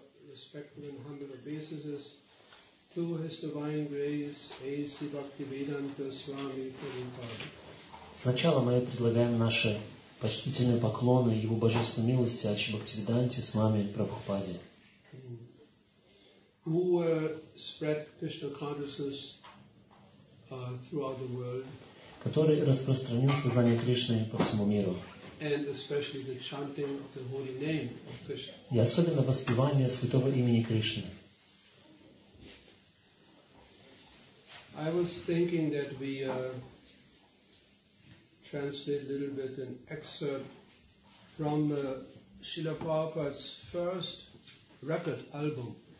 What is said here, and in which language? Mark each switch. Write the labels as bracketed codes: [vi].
[en] respectfully and humble obeisances to His Divine Grace, A.C. Bhaktivedanta Swami Prabhupada. [ru] Сначала мы предлагаем наши почтительные поклоны Его Божественной милости Ачи Бхактивиданте с вами Прабхупаде. [en] Who spread Krishna consciousness throughout the world? [ru] Который распространил сознание Кришны по всему миру. [en] And especially the chanting of the holy name of Krishna. [ru] И особенно воспевание святого имени Кришны. [en] I was thinking that we translate a little bit an excerpt from Srila Prabhupada's first record album.